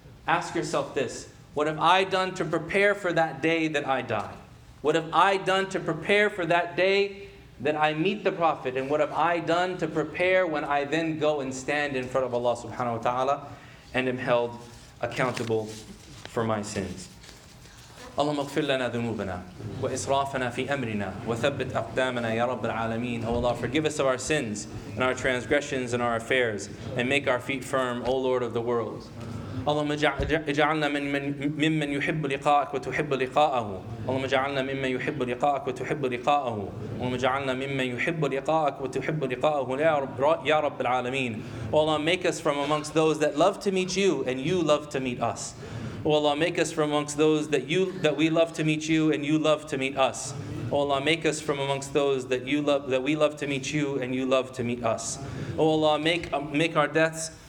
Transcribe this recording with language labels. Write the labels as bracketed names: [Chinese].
[English] Ask yourself this: what have I done to prepare for that day that I die? What have I done to prepare for that day that I meet the Prophet? And what have I done to prepare when I then go and stand in front of Allah subhanahu wa ta'ala and am held accountable for my sins? [Arabic] اللهم اغفر لنا ذنوبنا وإسرافنا في أمرنا وثبت أقدامنا يا رب العالمين. [English] O Allah, forgive us of our sins and our transgressions and our affairs, and make our feet firm, O Lord of the world. [Arabic] اللهم اجعلنا ممن يحب لقاءك وتحب لقاءه. اللهم اجعلنا ممن يحب لقاءك وتحب لقاءه. اللهم اجعلنا ممن يحب لقاءك وتحب لقاءه يا رب العالمين. [English] O Allah, make us from amongst those that love to meet you and you love to meet us. O Allah, make us from amongst those that we love to meet you and you love to meet us. O Allah, make us from amongst those that we love to meet you and you love to meet us. O Allah, make our deaths